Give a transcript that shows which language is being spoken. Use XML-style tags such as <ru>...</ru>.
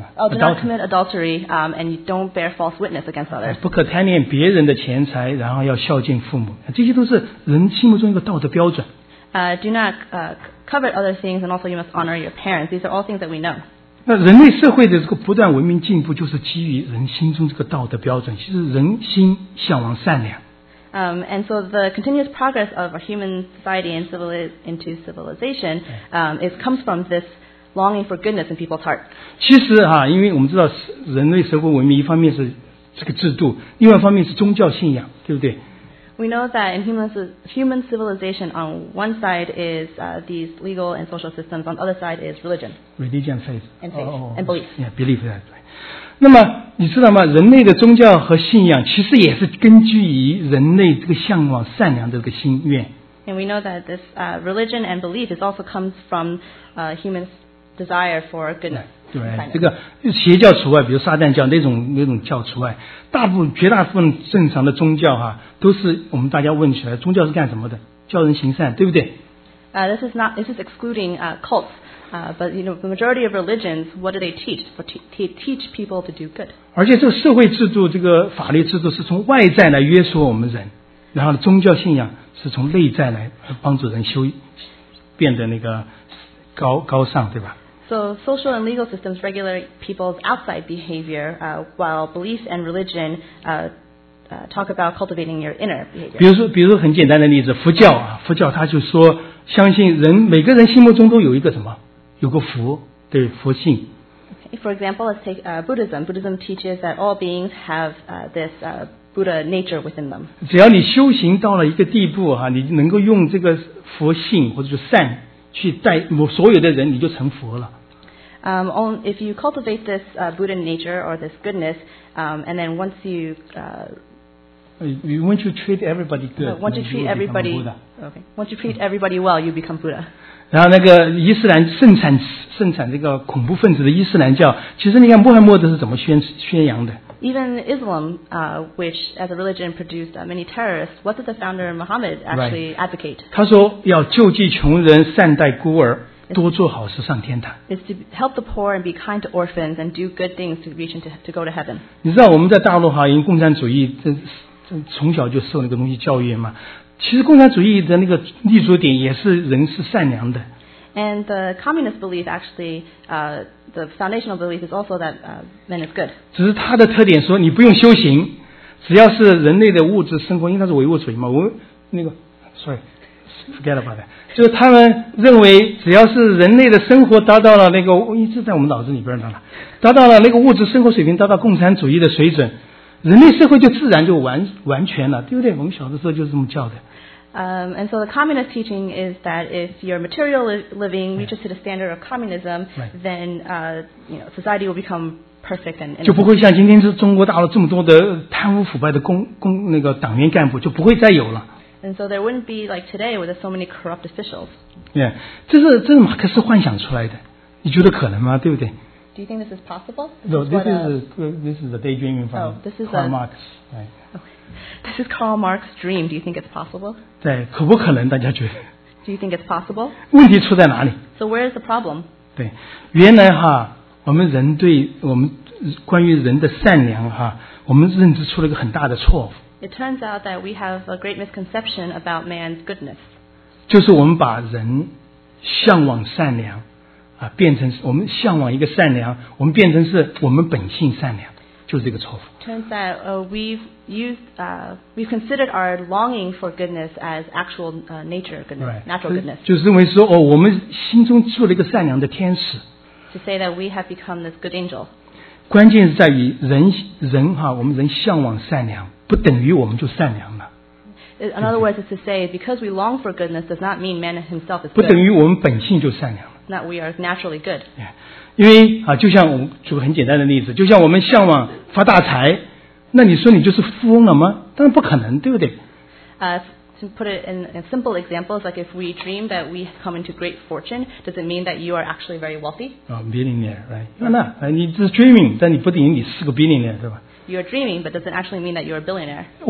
<en>do not commit adultery, and you don't bear false witness against others.</en> <zh>不可贪恋别人的钱财，然后要孝敬父母，这些都是人心目中一个道德标准。</zh> <en>Do not covet other things, and also you must honor your parents. These are all things that we know.</en> <zh>那人类社会的这个不断文明进步，就是基于人心中这个道德标准。其实人心向往善良。</zh> <en>And so the continuous progress of our human society and civilization, it comes from this longing for goodness in people's hearts.</en> <zh>其实哈，因为我们知道人类社会文明，一方面是这个制度，另外一方面是宗教信仰，对不对？</zh> <en>We know that in human civilization, on one side is these legal and social systems, on the other side is religion. Religion, faith. And belief. Yeah, belief, that's right.</en> <zh>那么你知道吗？人类的宗教和信仰其实也是根据于人类这个向往善良的这个心愿。</zh> <en>And we know that this religion and belief is also comes from human desire for goodness. Right.</en> <zh>对，这个邪教除外，比如撒旦教那种教除外，绝大部分正常的宗教哈、都是我们大家问起来，宗教是干什么的？教人行善，对不对？</zh> <en>This is excluding cults, but you know the majority of religions, what do they teach? They teach people to do good.</en> <zh>而且这个社会制度、这个法律制度是从外在来约束我们人，然后宗教信仰是从内在来帮助人修变得那个高尚，对吧？</zh> <en>So social and legal systems regulate people's outside behavior, while belief and religion talk about cultivating your inner behavior.</en> <zh>比如说很简单的例子，佛教他就说相信人每个人心目中都有一个什么，有个佛，对，佛性。</zh> <en>Okay, for example, let's take Buddhism. Buddhism teaches that all beings have this Buddha nature within them.</en> <zh>只要你修行到了一个地步哈，你能够用这个佛性或者是善。去带所有的人，你就成佛了。</zh> <en>If you cultivate this Buddha nature or this goodness, and then once you once you treat everybody good, once you treat everybody okay, once you treat everybody well, you become Buddha.</en> <zh>然后那个伊斯兰盛产这个恐怖分子的伊斯兰教，其实你看穆罕默德是怎么宣扬的。</zh> <en>Even Islam, which as a religion produced many terrorists, what did the founder Muhammad actually advocate?</en> <zh>Right. 他说要救济穷人，善待孤儿，多做好事上天堂。</zh> <en>It's to help the poor and be kind to orphans and do good things to reach into to go to heaven.</en> <zh>你知道我们在大陆哈，因为共产主义这从小就受那个东西教育嘛。其实共产主义的那个立足点也是人是善良的。</zh> <en>And the communist belief actually, the foundational belief is also that man is good.</en> <zh>只是它的特点说你不用修行，只要是人类的物质生活，因为它是唯物主义嘛。</zh> <en>Forget about that.</en> <zh>就是他们认为只要是人类的生活达到了那个，一直在我们脑子里边呢，达到了那个物质生活水平，达到共产主义的水准，人类社会就自然就完全了，对不对？我们小的时候就是这么叫的。</zh> <en>And so the communist teaching is that if your material living reaches to the standard of communism, then you know, society will become perfect and.</en> <zh>就不会像今天是中国大陆这么多的贪污腐败的那个党员干部，就不会再有了。</zh> <en>And so there wouldn't be like today with so many corrupt officials.</en> <zh>Yeah, 这是马克思幻想出来的，你觉得可能吗？对不对？</zh> <en>Do you think this is possible? No, this is a daydreaming from Karl Marx. Right. Okay. This is Karl Marx's dream. Do you think it's possible?</en> <zh>对，可不可能？大家觉得</zh> <en>？Do you think it's possible?</en> <zh>问题出在哪里</zh> <en>？So where is the problem?</en> <zh>对，原来哈，我们人对我们关于人的善良哈，我们认知出了一个很大的错误。</zh> <en>It turns out that we have a great misconception about man's goodness.</en> <zh>就是我们把人向往善良。变成我们向往一个善良，我们变成是我们本性善良，就是这个错误。</zh> <en>Turns out we've considered our longing for goodness as actual nature goodness, natural goodness.</en> <zh>就是认为说哦，我们心中住了一个善良的天使。</zh> <en>To say that we have become this good angel.</en> <zh>关键是在于人哈，我们人向往善良，不等于我们就善良了。</zh> <en>another word to say, because we long for goodness does not mean man himself is good.</en> <zh>不等于我们本性就善良了。</zh> <en>That we are naturally good. Yeah.</en> <zh>因为, 啊, 就像, 举个很简单的例子, 就像我们向往发大财, 那你说你就是富翁了吗? 当然不可能，对不对？</zh> <en>To put it in a simple example, like if we dream that we come into great fortune, does it mean that you are actually very wealthy? Oh, billionaire, right? No, no. You're dreaming,</en> <zh>但你不等于你是个 billionaire, 对吧？</zh> <en>You're dreaming, but doesn't actually mean that you're a billionaire.</en>